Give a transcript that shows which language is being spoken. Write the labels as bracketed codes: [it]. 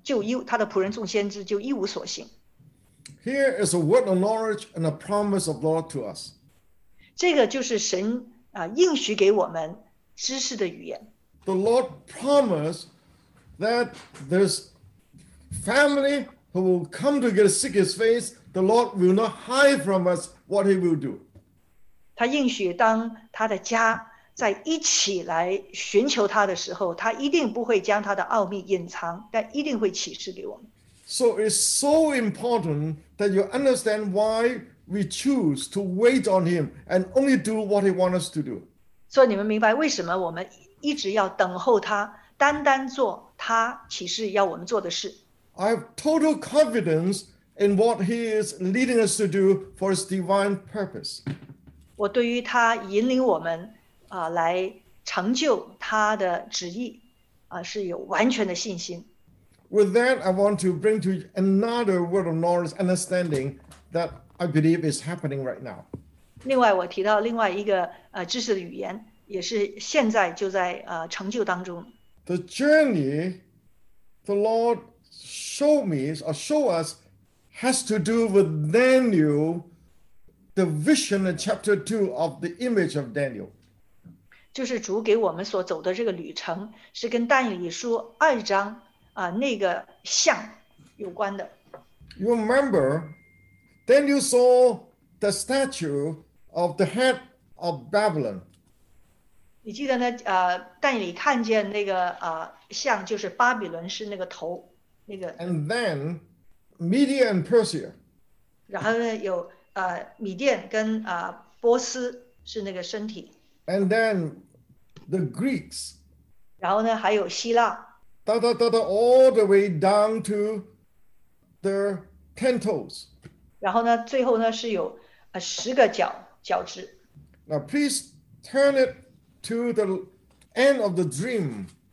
[zh] 就是主耶和华若不将奥秘启示他的众先知，就一他的仆人众先知就一无所行。 [en] Here is a word of knowledge and a promise of Lord to us. [zh] 这个就是神应许给我们知识的语言。 [en] The Lord promised that this family who will come to get seek His face, the Lord will not hide from us what He will do. [zh] 他应许当他的家在一起来寻求他的时候，他一定不会将他的奥秘隐藏，但一定会启示给我们。 [en] So it's so important that you understand why we choose to wait on Him and only do what He wants us to do. [zh] 所以你们明白为什么我们一直要等候他，单单做他启示要我们做的事。 [en] I have total confidence in what He is leading us to do for His divine purpose. [zh] 我对于他引领我们来成就他的旨意是有完全的信心。 [en] With that, I want to bring to another word of knowledge understanding that I believe is happening right now. [zh] 另外我提到另外一个知识的语言也是现在就在成就当中。 [en] The journey the Lord showed me or show us has to do with Daniel, the vision in chapter 2 of the image of Daniel. [zh] 就是主给我们所走的这个旅程是跟但以理书二章那个像有关的。 [en] You remember, Daniel saw the statue of the head of Babylon. [zh] 你记得呢但以理看见那个像就是巴比伦是那个头那个。 [en] And then, Media and Persia. [zh] 然后呢有米甸跟波斯是那个身体。 [en] And then the Greeks. [zh] 然后呢还有希腊。 [en] Da, da, da, da, all the way down to their 10 toes. [zh] 然后呢最后呢是有十个脚脚趾。 [en] Now please turn it to the end of the dream.